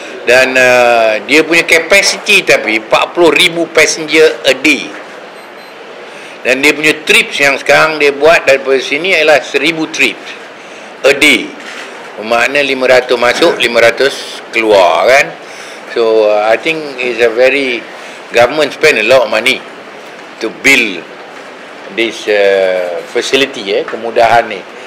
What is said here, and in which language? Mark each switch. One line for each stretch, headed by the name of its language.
Malay: Dan dia punya capacity tapi
English: 40,000 passenger a day.
Malay: Dan dia punya trips yang sekarang dia buat daripada sini ialah
English: 1,000 trips a day.
Malay: Bermakna 500 masuk, 500 keluar kan.
English: So I think it's a very, government spend a lot of money to build this facility,
Malay: kemudahan ni.